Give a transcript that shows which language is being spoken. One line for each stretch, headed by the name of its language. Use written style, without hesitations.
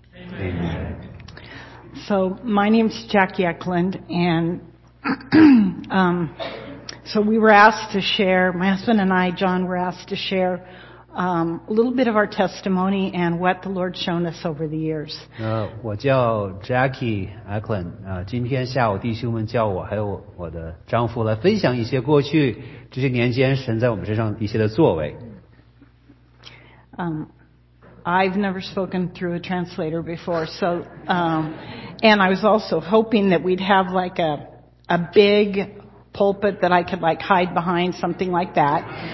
English: Amen. Amen. So my name's Jackie Eklund, and so we were asked to share, my husband and I, John, were asked to share a little bit of our testimony and what the Lord's shown us over the years.
Chinese: 我叫Jackie Eklund, 今天下午弟兄们叫我还有我的丈夫来分享一些过去这些年间神在我们身上一些的作为。
English: I've never spoken through a translator before, so and I was also hoping that we'd have like a big pulpit that I could like hide behind, something like that.